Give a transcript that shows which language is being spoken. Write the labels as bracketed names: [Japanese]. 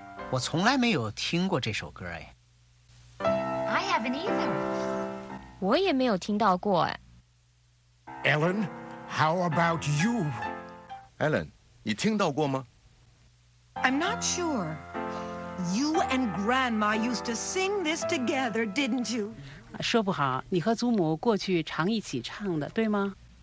[Chinese] 我从来没有听过这首歌哎。 [English] I haven't either. [Chinese] 我也没有听到过。 [English] Ellen? How about you? [Chinese] Ellen, 你听到过吗？ [English] I'm not sure. You and Grandma used to sing this together, didn't you? [Chinese] 说不好，你和祖母过去常一起唱的，对吗？